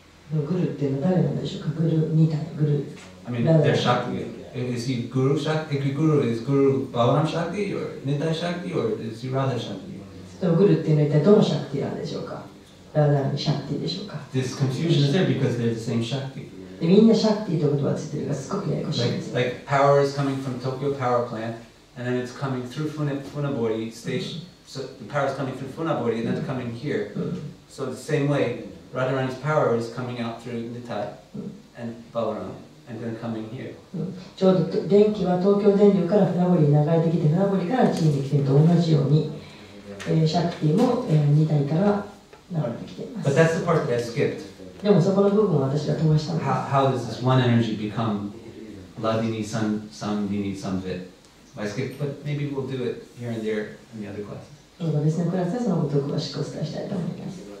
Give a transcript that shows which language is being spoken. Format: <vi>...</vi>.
<ja>グルっていうのは誰なんでしょうか。グルニタグル。</ja> <en>I mean, they're Shakti. Is he Guru Shakti? If Guru is Guru Balaram Shakti or Nitai Shakti or is he Radha Shakti?</en> <ja>So, グルっていうのは一体どのシャクティなんでしょうか。ラダラーニシャクティでしょうか。</ja> <en>This confusion is there because they're the same Shakti.</en> <ja>で、みんなシャクティという言葉ついてるからすごくややこしいです。</ja> <en>Like power is coming from Tokyo Power Plant, and then it's coming through Funabori Station. So the power is coming through Funabori and then coming here. So the same way. Radharani's power is coming out through Nitai and Balaram, and then coming here.</en> <ja>ちょうど電気は東京電力から船堀に流れてきて、船堀から地に来てと同じように、シャクティも二体から流れてきています。</ja> <en>But that's the part that I skipped.</en> <ja>でもそこの部分は私が飛ばしたんです。</ja> <en>How does this one energy become Ladini, San, Sandini, Sanvit? I skipped, but maybe we'll do it here and there in the other classes.</en> <ja>そうか、別のクラスでそのことを詳しくお伝えしたいと思います。</ja>